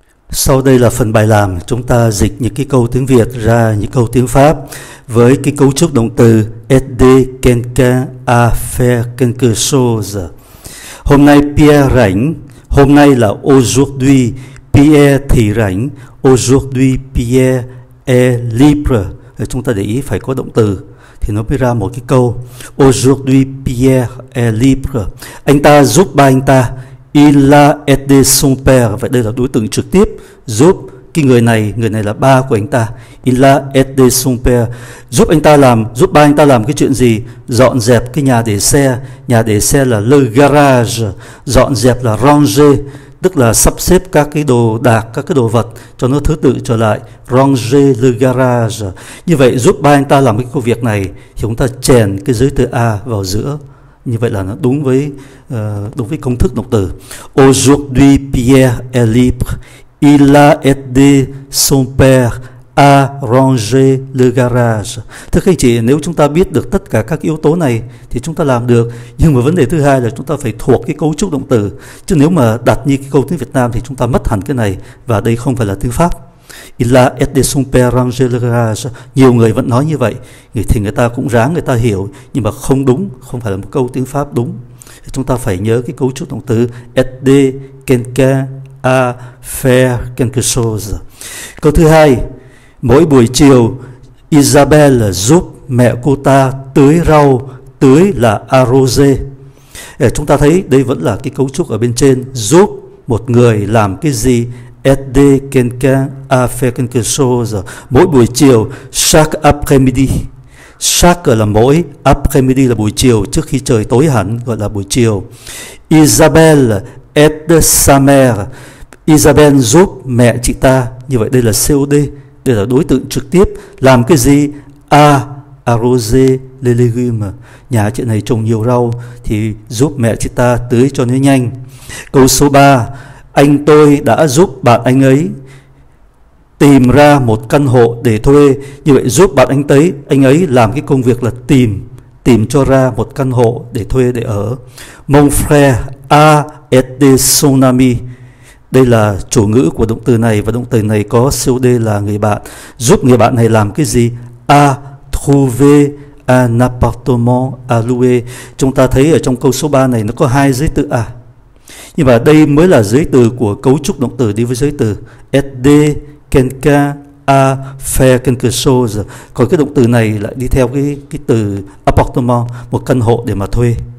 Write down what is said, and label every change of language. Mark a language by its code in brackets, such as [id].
[vi] Sau đây là phần bài làm, chúng ta dịch những cái câu tiếng Việt ra những câu tiếng Pháp với cái cấu trúc động từ [fr] aider quelqu'un à faire quelque chose. [vi] Hôm nay Pierre rảnh, hôm nay là [fr] aujourd'hui, [vi] Pierre thì rảnh, [fr] aujourd'hui Pierre est libre. [vi] Chúng ta để ý phải có động từ thì nó mới ra một cái câu. [fr] Aujourd'hui Pierre est libre. [vi] Anh ta giúp ba anh ta. [fr] Il a aidé son père. [vi] Vậy đây là đối tượng trực tiếp giúp cái người này là ba của anh ta. [fr] Il a aidé son père. [vi] Giúp anh ta làm, giúp ba anh ta làm cái chuyện gì? Dọn dẹp cái nhà để xe. Nhà để xe là [fr] le garage. [vi] Dọn dẹp là ranger, tức là sắp xếp các cái đồ đạc, các cái đồ vật cho nó thứ tự trở lại. [fr] Ranger le garage. [vi] Như vậy giúp ba anh ta làm cái công việc này thì chúng ta chèn cái giới từ A vào giữa. Như vậy là nó đúng với công thức động từ. [fr] Aujourd'hui Pierre est libre. Il a aidé son père à ranger le garage. [vi] Thưa các anh chị, nếu chúng ta biết được tất cả các yếu tố này thì chúng ta làm được. Nhưng mà vấn đề thứ hai là chúng ta phải thuộc cái cấu trúc động từ. Chứ nếu mà đặt như cái câu tiếng Việt Nam thì chúng ta mất hẳn cái này. Và đây không phải là tiếng Pháp. [fr] Il a aidé son père à ranger le garage. [vi] Nhiều người vẫn nói như vậy thì người ta cũng ráng người ta hiểu, nhưng mà không đúng, không phải là một câu tiếng Pháp đúng. Chúng ta phải nhớ cái cấu trúc động từ [fr] aider quelqu'un à faire quelque chose. [vi] Câu thứ hai, mỗi buổi chiều Isabelle giúp mẹ cô ta tưới rau. Tưới là arroser. Chúng ta thấy đây vẫn là cái cấu trúc ở bên trên, giúp một người làm cái gì. [fr] Aider quelqu'un à faire quelque chose. [vi] Mỗi buổi chiều, [fr] chaque après-midi. [vi] Chaque là mỗi, après-midi là buổi chiều, trước khi trời tối hẳn gọi là buổi chiều. [fr] Isabelle aide sa mère. [vi] Isabelle giúp mẹ chị ta. Như vậy đây là COD, đây là đối tượng trực tiếp. Làm cái gì? [fr] À, arroser les légumes. [vi] Nhà chị này trồng nhiều rau thì giúp mẹ chị ta tưới cho nó nhanh. Câu số 3, anh tôi đã giúp bạn anh ấy tìm ra một căn hộ để thuê. Như vậy giúp bạn anh ấy làm cái công việc là tìm cho ra một căn hộ để thuê để ở. [fr] Mon frère a aidé son ami. [vi] Đây là chủ ngữ của động từ này, và động từ này có COD là người bạn. Giúp người bạn này làm cái gì? [fr] A trouver un appartement à louer. [vi] Chúng ta thấy ở trong câu số 3 này nó có hai giới từ A. Nhưng mà đây mới là giới từ của cấu trúc động từ đi với giới từ [fr] aider quelqu'un à faire quelque chose. [vi] Còn cái động từ này lại đi theo cái từ appartement, một căn hộ để mà thuê.